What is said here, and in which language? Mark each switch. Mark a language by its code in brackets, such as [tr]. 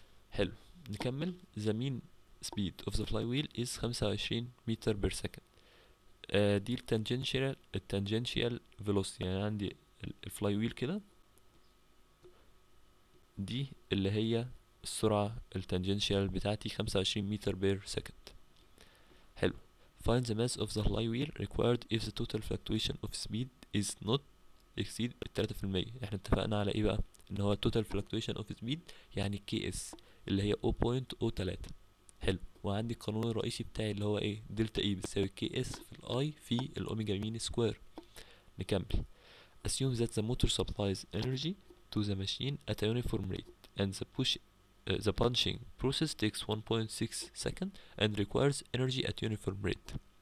[ar] حلو، نكمل. [en] The mean speed of the flywheel is 25 meter per second. [ar] دي التانجنشال، التانجنشال فيلوسيتي. يعني عندي الفلاي ويل كده، دي اللي هي السرعة التانجنشال بتاعتي 25 متر بير سكند. حلو. [en] find the mass of the flywheel required if the total fluctuation of speed is not exceed 3%. [ar] احنا اتفقنا على ايه بقى؟ ان هو [en] total fluctuation of speed [ar] يعني كي اس اللي هي 0.03. حلو. وعندي القانون الرئيسي بتاعي اللي هو ايه؟ دلتا اي بتساوي كي اس في الاي في الاوميجا مين سكوير. نكمل. [en] assume that the motor supplies energy to the machine at a uniform rate and the push the punching process takes 1.6 second and requires energy at uniform rate.